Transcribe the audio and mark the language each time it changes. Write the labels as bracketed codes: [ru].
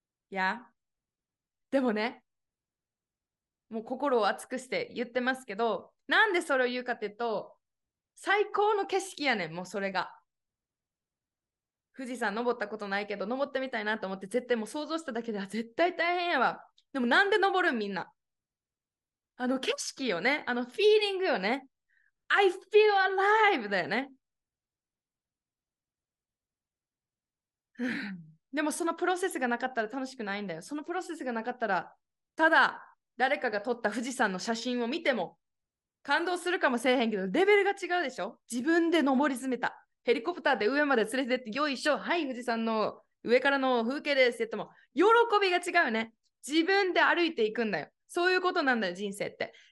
[ja] いや、でもね、もう心を熱くして言ってますけど、なんでそれを言うかっていうと、最高の景色やねん、もうそれが。富士山登ったことないけど、登ってみたいなと思って、絶対もう想像しただけでは絶対大変やわ。でもなんで登るん、みんな。あの景色よね、あのフィーリングよね。 [en] I feel alive [ja] だよね。でもそのプロセスがなかったら楽しくないんだよ。そのプロセスがなかったら、ただ誰かが撮った富士山の写真を見ても感動するかもしれへんけど、レベルが違うでしょ。自分で登り詰めた、ヘリコプターで上まで連れてって、よいしょ、はい富士山の上からの風景ですって言っても喜びが違うね。自分で歩いていくんだよ。そういうことなんだよ人生って。